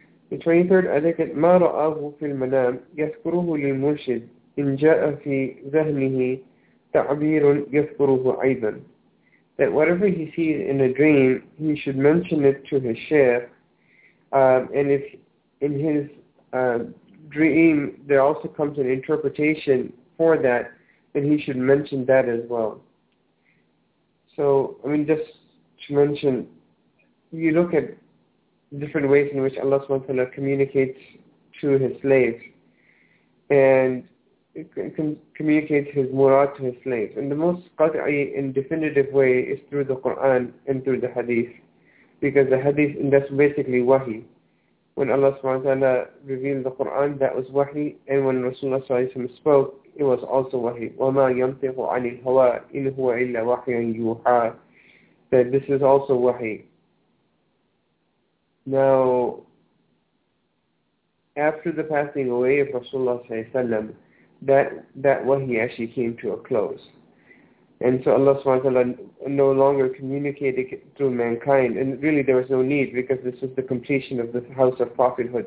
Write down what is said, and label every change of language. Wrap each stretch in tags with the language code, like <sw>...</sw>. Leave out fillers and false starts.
<en>The 23rd etiquette,</en> <ar>ما رأاه في المنام يذكره للمرشد إن جاء في ذهنه تعبير يذكره أيضا.</ar> <en>That whatever he sees in a dream, he should mention it to his sheikh, and if in his dream there also comes an interpretation for that, then he should mention that as well. So just to mention, you look at different ways in which Allah subhanahu wa ta'ala communicates to his slaves and communicates his murad to his slaves, and the most qat'i and definitive way is through the Quran and through the hadith, because the hadith, and that's basically wahi. when Allah subhanahu wa ta'ala revealed the Quran, that was wahi, and when Rasulullah sallallahu alayhi wa sallam spoke, it was also wahi.</en> <ar>وَمَا يَنْطِقُ عَنِ الْهَوَىٰ إِنْ هُوَ إِلَّا وَحْيٌ يُوحَىٰ,</ar> <en>that this is also wahi. Now, after the passing away of Rasulullah sallallahu alayhi wa sallam, that wahi actually came to a close. And so Allah subhanahu wa ta'ala no longer communicated through mankind. And really there was no need, because this was the completion of the house of prophethood.</en>